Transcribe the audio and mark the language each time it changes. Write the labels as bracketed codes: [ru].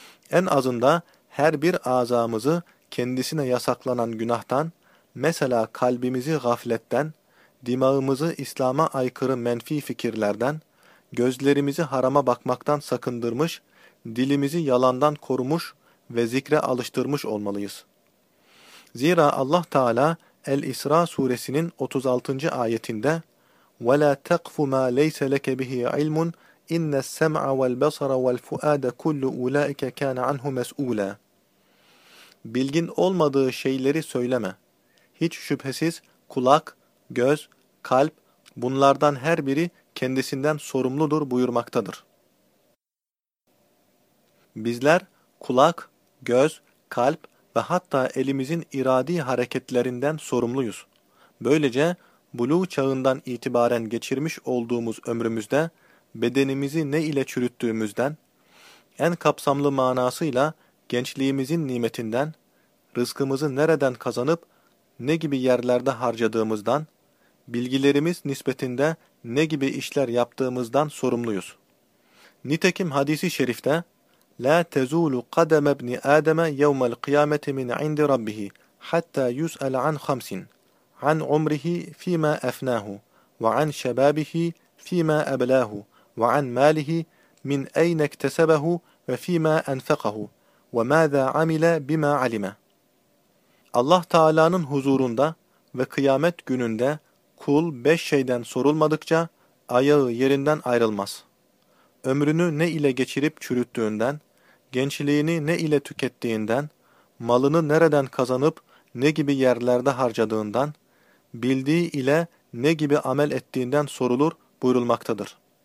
[tr] En azında her bir azamızı kendisine yasaklanan günahtan, mesela kalbimizi gafletten, dimağımızı İslam'a aykırı menfi fikirlerden, gözlerimizi harama bakmaktan sakındırmış, dilimizi yalandan korumuş ve zikre alıştırmış olmalıyız. Zira Allah Teala El-İsra suresinin 36. ayetinde [ar] وَلَا تَقْفُ مَا لَيْسَ لَكَ بِهِ عِلْمٌ اِنَّ السَّمْعَ وَالْبَصَرَ وَالْفُؤَادَ كُلُّ اُولَٰئِكَ كَانَ عَنْهُ مَسْئُولًا [tr] Bilgin olmadığı şeyleri söyleme. Hiç şüphesiz kulak, göz, kalp bunlardan her biri kendisinden sorumludur buyurmaktadır. Bizler kulak, göz, kalp ve hatta elimizin iradi hareketlerinden sorumluyuz. Böylece buluğ çağından itibaren geçirmiş olduğumuz ömrümüzde bedenimizi ne ile çürüttüğümüzden, en kapsamlı manasıyla gençliğimizin nimetinden, rızkımızı nereden kazanıp ne gibi yerlerde harcadığımızdan, bilgilerimiz nispetinde ne gibi işler yaptığımızdan sorumluyuz. Nitekim hadisi şerifte, [ar] لَا تَزُولُ قَدَمَ ابْنِ آدَمَ يَوْمَ الْقِيَامَةِ مِنْ عِنْدِ رَبِّهِ حَتَّى يُسْأَلَ عَنْ خَمْسٍ عَنْ عُمْرِهِ فِي مَا أَفْنَاهُ وَعَنْ شَبَابِهِ فِي مَا أَبْلَاهُ وَعَنْ مَالِهِ مِنْ اَيْنَ اكْتَسَبَهُ وَفِي مَا أَنْفَقَهُ وَمَاذَا عَمِلَ بِمَا عَلِمَ [tr] Allah Teala'nın huzurunda ve kıyamet gününde kul beş şeyden sorulmadıkça ayağı yerinden ayrılmaz. Ömrünü ne ile geçirip çürüttüğünden, gençliğini ne ile tükettiğinden, malını nereden kazanıp ne gibi yerlerde harcadığından, bildiği ile ne gibi amel ettiğinden sorulur buyurulmaktadır.